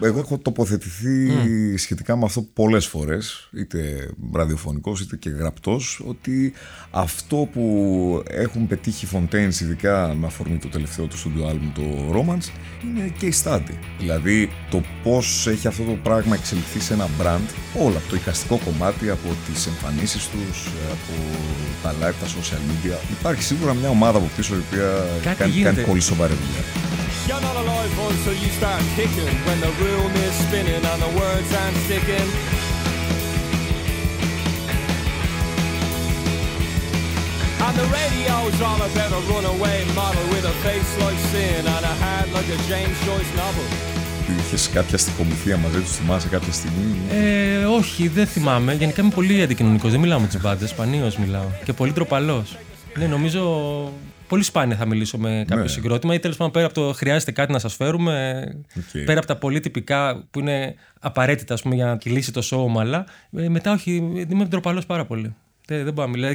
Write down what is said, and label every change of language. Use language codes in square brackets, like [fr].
[el] Εγώ έχω τοποθετηθεί σχετικά με αυτό πολλές φορές, είτε ραδιοφωνικός είτε και γραπτός, ότι αυτό που έχουν πετύχει οι Fontaines, ειδικά με αφορμή το τελευταίο του στούντιο άλμπουμ, το Romance, είναι case study. Δηλαδή το πώς έχει αυτό το πράγμα εξελιχθεί σε ένα brand, όλο από το εικαστικό κομμάτι, από τις εμφανίσεις τους, από τα live, τα social media. Υπάρχει σίγουρα μια ομάδα από πίσω η οποία κάνει πολύ σοβαρή δουλειά. [en] You're not alive on, so you start kicking when the room is spinning and the words aren't sticking. And the radio's on a better runaway model with a face like sin and a hat like a James Joyce novel. [el] Είχες κάποια στιχομηθεία μαζί τους, θυμάσαι κάποια στιγμή? Όχι, δεν θυμάμαι. Γενικά είμαι πολύ αντικοινωνικός, δεν μιλάω με τις μπάντες, σπανίως μιλάω. Και πολύ ντροπαλός. Ναι, νομίζω πολύ σπάνια θα μιλήσω με κάποιο συγκρότημα. Ή τέλος πάντων, πέρα από το χρειάζεται κάτι να σας φέρουμε, πέρα από τα πολύ τυπικά που είναι απαραίτητα, ας πούμε, για να κυλήσει το σώμα, αλλά μετά όχι, είμαι ντροπαλός πάρα πολύ. Δεν μπορώ να μιλάω.